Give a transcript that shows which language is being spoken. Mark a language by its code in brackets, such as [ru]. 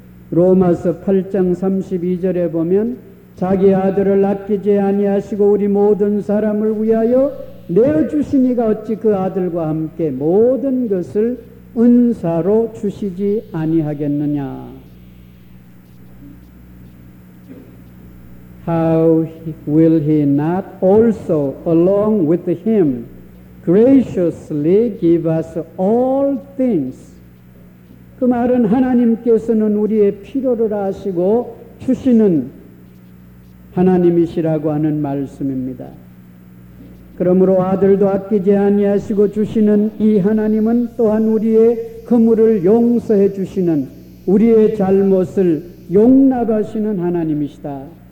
[ko] 로마서 8장 32절에 보면 자기 아들을 아끼지 아니하시고 우리 모든 사람을 위하여 내어주시니가 어찌 그 아들과 함께 모든 것을 은사로 주시지 아니하겠느냐. [en] How will he not also along with him graciously give us all things? [ko] 그 말은 하나님께서는 우리의 필요를 아시고 주시는 하나님이시라고 하는 말씀입니다. 그러므로 아들도 아끼지 아니하시고 주시는 이 하나님은 또한 우리의 허물을 용서해 주시는 우리의 잘못을 용납하시는 하나님이시다.